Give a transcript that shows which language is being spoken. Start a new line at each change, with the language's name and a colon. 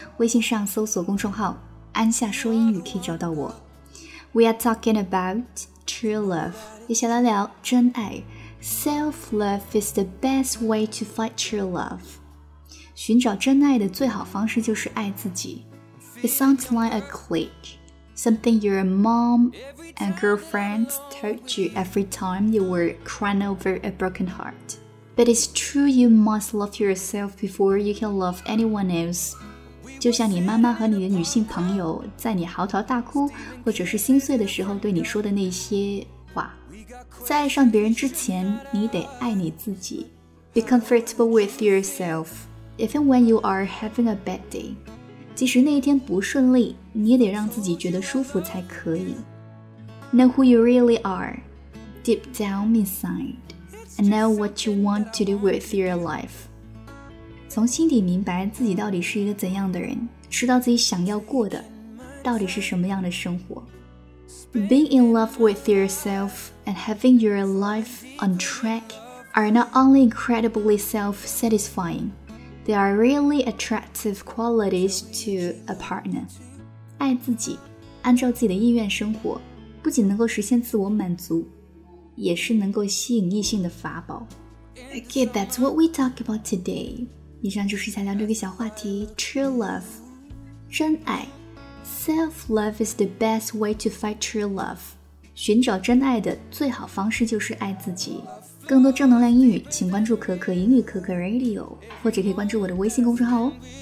Chinese: 微信上搜索公众号安夏说英语可以找到我。
English: We are talking about true love，
Chinese: 接下来聊真爱。
English: Self-love is the best way to find true love。
Chinese: 寻找真爱的最好方式就是爱自己。
English: It sounds like a cliche, something your mom and girlfriend told you every time you were crying over a broken heart. But it's true, you must love yourself before you can love anyone else.
Chinese: 就像你妈妈和你的女性朋友在你嚎啕大哭或者是心碎的时候对你说的那些话。在爱上别人之前，你得爱你自己。
English: Be comfortable with yourself, even when you are having a bad day.
Chinese: 即使那一天不顺利，你也得让自己觉得舒服才可以。
English: Know who you really are, deep down inside, and know what you want to do with your life.
Chinese: 从心底明白自己到底是一个怎样的人，知道自己想要过的，到底是什么样的生活。
English: Being in love with yourself and having your life on track are not only incredibly self-satisfying,They are really attractive qualities to a partner.
Chinese: 爱自己，按照自己的意愿生活，不仅能够实现自我满足，也是能够吸引异性的法宝。
English: Okay, that's what we talk about today.
Chinese: 以上就是想聊这个小话题 ,
English: true love.
Chinese: 真爱。
English: Self-love is the best way to find true love.
Chinese: 寻找真爱的最好方式就是爱自己。更多正能量英语请关注可可英语可可 Radio 或者可以关注我的微信公众号哦。